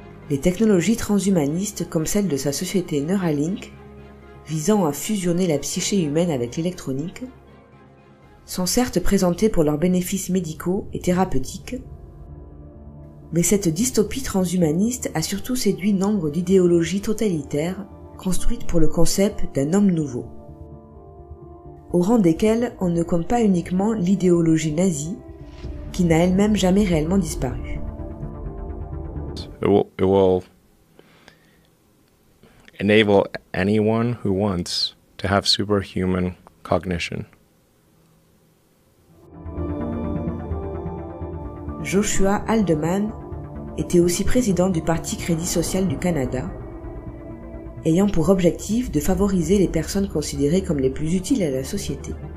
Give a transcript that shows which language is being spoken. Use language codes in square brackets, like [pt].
[fr] Les technologies transhumanistes comme celle de sa société Neuralink, visant à fusionner la psyché humaine avec l'électronique, sont certes présentées pour leurs bénéfices médicaux et thérapeutiques, mais cette dystopie transhumaniste a surtout séduit nombre d'idéologies totalitaires construites pour le concept d'un homme nouveau, au rang desquelles on ne compte pas uniquement l'idéologie nazie, qui n'a elle-même jamais réellement disparu. [en] It will enable anyone who wants to have superhuman cognition. [fr] Joshua Haldeman était aussi président du Parti Crédit Social du Canada, ayant pour objectif de favoriser les personnes considérées comme les plus utiles à la société.